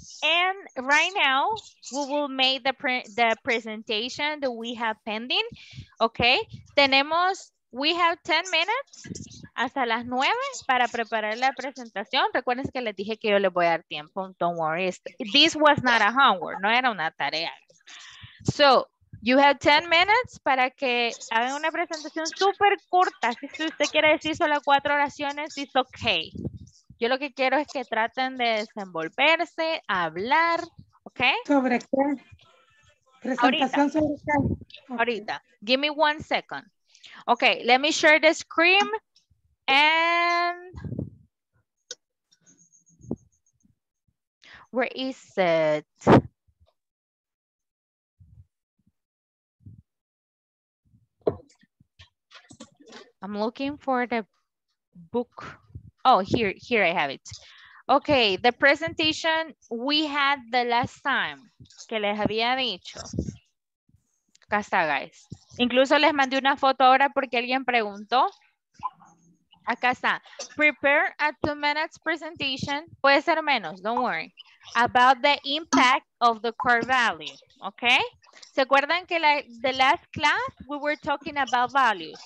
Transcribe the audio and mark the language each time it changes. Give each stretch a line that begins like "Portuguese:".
English: And right now, we will make the presentation that we have pending. Okay, we have 10 minutes
Spanish: hasta las 9 para preparar la presentación. Recuerden que les dije que yo les voy a dar tiempo.
English: Don't worry. This was not a homework.
Spanish: No era una tarea.
English: So you have 10 minutes
Spanish: para que hagan una presentación súper corta. Si usted quiere decir solo 4 oraciones,
English: it's okay.
Spanish: Yo lo que quiero es que traten de desenvolverse, hablar, ¿ok? ¿Sobre qué? ¿Presentación sobre qué?
English: Ahorita. Give me 1 second. Ok, let me share the screen. And where is it? I'm looking for the book. Oh, here I have it. Okay, the presentation we had the last time.
Spanish: Que les había dicho. Acá está, guys. Incluso les mandé una foto ahora porque alguien preguntó. Acá está.
English: Prepare a 2 minutes presentation.
Spanish: Puede ser menos,
English: don't worry. About the impact of the core value. Okay.
Spanish: ¿Se acuerdan que
English: the last class we were talking about values?